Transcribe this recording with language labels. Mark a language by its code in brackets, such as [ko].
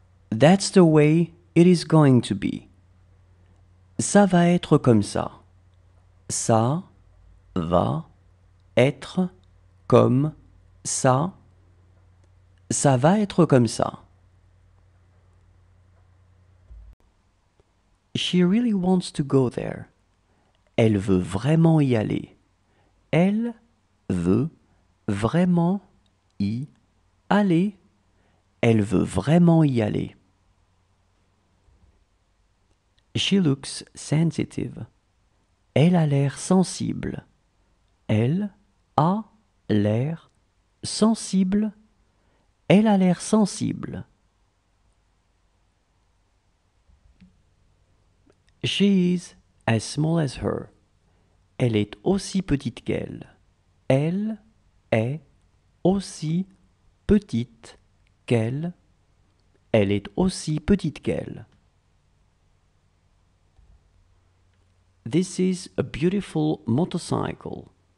[en] That's the way it is going to be. [fr] Ça va être comme ça. Ça va être comme ça. Ça va être comme ça. [en] She really wants to go there. [fr] Elle veut vraiment y aller. Elle veut vraiment y aller. Elle veut vraiment y aller. [en] She looks sensitive. [fr] Elle a l'air sensible. Elle a l'air sensible. Elle a l'air sensible. [en] She is as small as her. [fr] Elle est aussi petite qu'elle. Elle est aussi petite qu'elle. Elle est aussi petite qu'elle. [en] This is a beautiful motorcycle.